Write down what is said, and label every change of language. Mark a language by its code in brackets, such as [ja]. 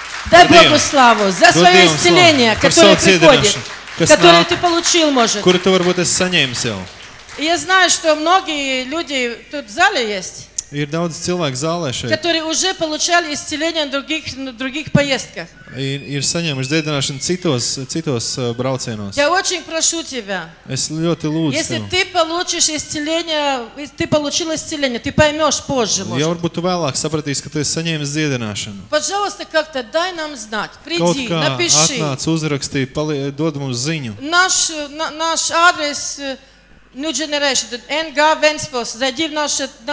[ru] Dai Bogu slavu za svoje izcelenie, которое приходит. Которое ты получил, может. [lv] Kur tu varbūt esi saņēmis jau. [ru] Я знаю, что многие люди тут в зале есть. [lv] Ir daudz cilvēku zālē šeit. [ru] Которые уже получали исцеление в других поездках. [lv] Ir saņēmuši dziedināšanu citos braucienos. [ru] Я очень прошу тебя. [lv] Es ļoti lūdzu. [ru] Если ты получишь исцеление, ты получил исцеление, ты поймёшь позже, может. [lv] Ja varbūt tu vēlāk sapratīsi, ka tu esi saņēmis dziedināšanu. [ru] Пожалуйста, как-то дай нам знать. Приди, [lv] Kaut kā [ru] напиши. [lv] Atnāc, uzraksti, dod mums ziņu. [ru] Наш адрес New Generation, NG Ventspils, зайди в нашу